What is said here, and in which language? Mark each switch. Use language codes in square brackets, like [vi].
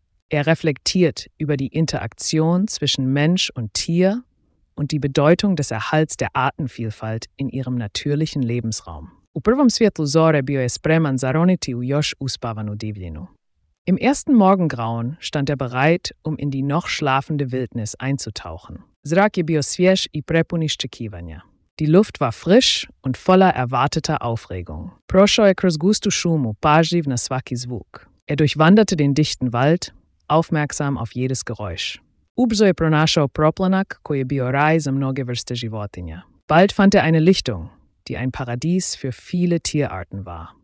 [de] Reflektiert über die Interaktion zwischen Mensch und Tier und die Bedeutung des Erhalts der Artenvielfalt in ihrem natürlichen Lebensraum. [hr] U prvom svjetlu zore bio je spreman zaroniti u još uspavanu divljinu. [de] Im ersten Morgengrauen stand bereit, um in die noch schlafende Wildnis einzutauchen. [hr] Zrak je bio svjež i prepun iščekivanja. [de] Die Luft war frisch und voller erwarteter Aufregung. [hr] Prošao je kroz gustu šumu, pažljiv na svaki zvuk. [de] Durchwanderte den dichten Wald, aufmerksam auf jedes Geräusch. [hr] Ubrzo je pronašao proplanak, koji je bio raj za mnoge vrste životinja. [de] Bald fand eine Lichtung, die ein Paradies für viele Tierarten war.